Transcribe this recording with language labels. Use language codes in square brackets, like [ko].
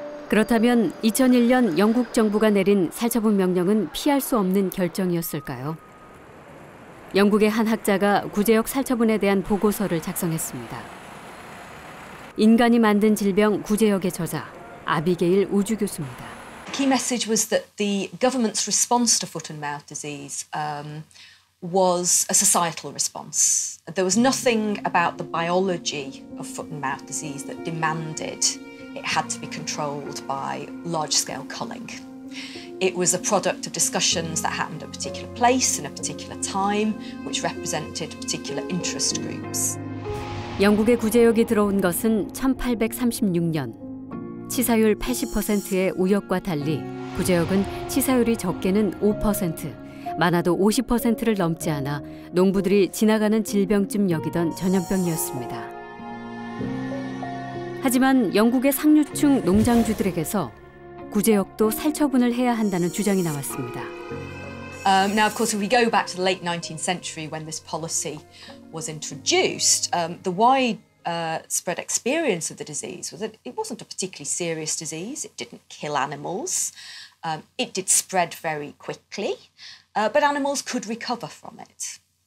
[ko] 그렇다면 2001년 영국 정부가 내린 살처분 명령은 피할 수 없는 결정이었을까요? 영국의 한 학자가 구제역 살처분에 대한 보고서를 작성했습니다. 인간이 만든 질병 구제역의 저자 아비게일 우주 교수입니다. [en] Key message was that the government's response to foot and mouth disease was a societal response. There was nothing about the biology of foot and mouth disease that demanded it had to be controlled by large-scale culling. It was a product of discussions that happened at a particular place in a particular time, which represented particular interest groups. [ko] 영국의 구제역이 들어온 것은 1836년. 치사율 80%의 우역과 달리 구제역은 치사율이 적게는 5%, 많아도 50%를 넘지 않아 농부들이 지나가는 질병쯤 여기던 전염병이었습니다. 하지만 영국의 상류층 농장주들에게서 구제역도 살처분을 해야 한다는 주장이 나왔습니다. [en] Now, of course, if we go back to the late 19th century when this policy was introduced, the widespread experience of the disease was that it wasn't a particularly serious disease. It didn't kill animals. It did spread very quickly, but animals could recover from it.